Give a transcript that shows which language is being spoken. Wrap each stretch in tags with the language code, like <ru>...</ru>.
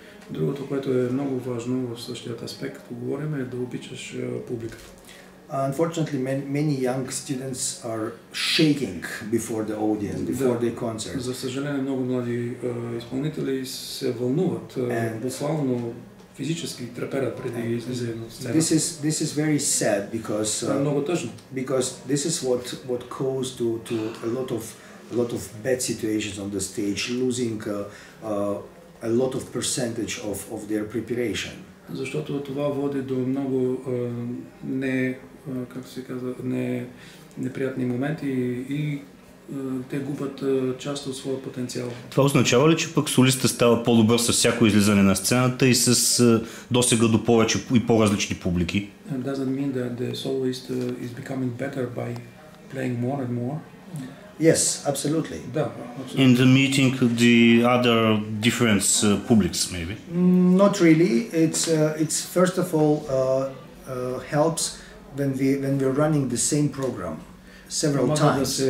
<bg>Другото, което е много важно в същият аспект, говорим, е да обичаш публиката.</bg> <en>Unfortunately, many young students are shaking before the audience, before the concert.</en> <bg>За съжаление, много млади изпълнители се вълнуват, буквално физически треперят преди излизане на сцена.</bg> <en>This is very sad because</en> <bg>много тъжно.</bg> <en>Because this is what caused to a lot of bad situations on the stage, losing a lot of percentage of their preparation.</en> <bg>Защото това води до много не, как се казва, не неприятни моменти и те губят част от своя потенциал. Това означава ли, че пък солиста става по-добър с всяко излизане на сцената и с досега до повече и по-различни публики?</bg> <en>It doesn't mean that the soloist is becoming better by playing more and more. Yes, absolutely.</en> <bg>Да,</bg> <en>absolutely. In the meeting the other different publics maybe? Not really. It's first of all helps when we're running the same program several times.</en>